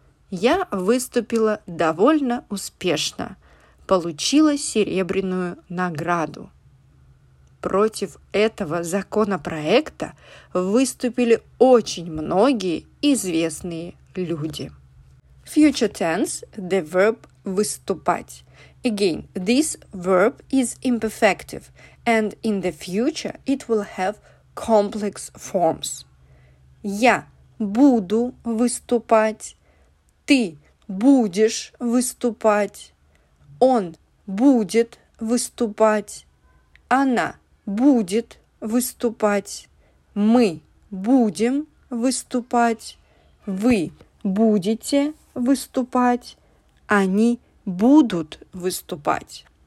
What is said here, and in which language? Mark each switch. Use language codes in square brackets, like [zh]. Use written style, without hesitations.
[ru] Я выступила довольно успешно, получила серебряную награду. Против этого законопроекта выступили очень многие известные люди. [en] Future tense, the verb выступать. Again, this verb is imperfective, and in the future it will have complex forms. [ru] Я буду выступать, ты будешь выступать, он будет выступать, она будет выступать, мы будем выступать, вы будете выступать, они будут выступать.